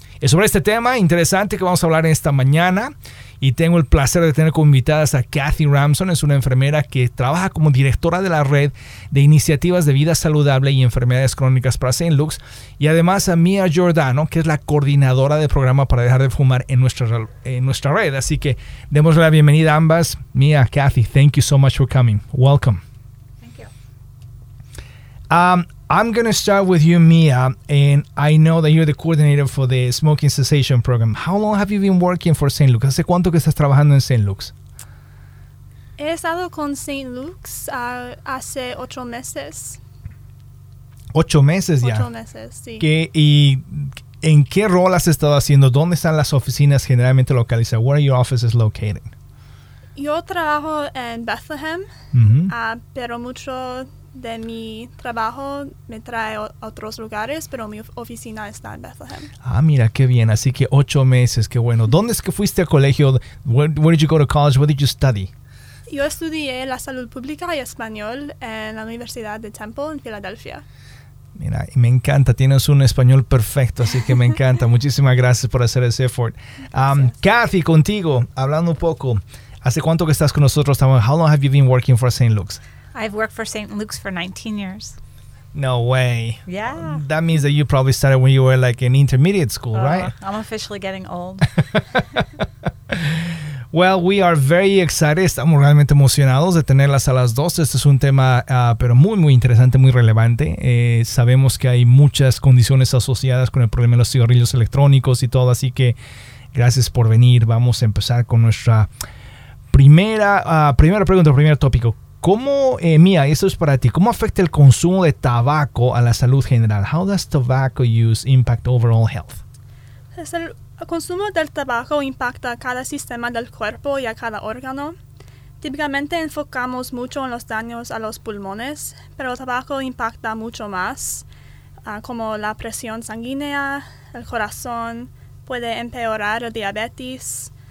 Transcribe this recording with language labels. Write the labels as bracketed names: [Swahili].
[Spanish] Es sobre este tema interesante que vamos a hablar esta mañana. Y tengo el placer de tener como invitadas a Kathy Ramson, es una enfermera que trabaja como directora de la Red de Iniciativas de Vida Saludable y Enfermedades Crónicas para St. Luke's, y además a Mia Giordano, que es la coordinadora de programa para dejar de fumar en nuestra red. Así que démosle la bienvenida a ambas. [English] Mia, Kathy, thank you so much for coming. Welcome. Thank you. I'm going to start with you, Mia, and I know that you're the coordinator for the Smoking Cessation Program. How long have you been working for St. Luke's? [Spanish] ¿Hace cuánto que estás trabajando en St. Luke's? He estado con St. Luke's hace 8 meses. ¿8 meses ya? 8 meses, sí. ¿Y en qué rol has estado haciendo? ¿Dónde están las oficinas generalmente localizadas? [English] Where are your offices located? [Spanish] Yo trabajo en Bethlehem, pero mucho de mi trabajo me trae a otros lugares, pero mi oficina está en Bethlehem. Ah, mira, qué bien. Así que 8 meses, qué bueno. ¿Dónde es que fuiste a colegio? [English] Where did you go to college? What did you study? [Spanish] Yo estudié la salud pública y español en la Universidad de Temple en Filadelfia. Mira, me encanta. Tienes un español perfecto, así que me encanta. Muchísimas gracias por hacer ese effort. Kathy, contigo, hablando un poco. ¿Hace cuánto que estás con nosotros? [English] How long have you been working for St. Luke's? I've worked for St. Luke's for 19 years. No way. Yeah. That means that you probably started when you were like in intermediate school, right? I'm officially getting old. Well, we are very excited. [Spanish] Estamos realmente emocionados de tenerlas a las dos. Este es un tema, pero muy, muy interesante, muy relevante. Sabemos que hay muchas condiciones asociadas con el problema de los cigarrillos electrónicos y todo. Así que gracias por venir. Vamos a empezar con nuestra primera pregunta, primer tópico. ¿Cómo, Mia, esto es para ti, cómo afecta el consumo de tabaco a la salud general? [English] How does tobacco use impact overall health? [Spanish] El consumo del tabaco impacta a cada sistema del cuerpo y a cada órgano. Típicamente enfocamos mucho en los daños a los pulmones, pero el tabaco impacta mucho más, como la presión sanguínea, el corazón, puede empeorar el diabetes.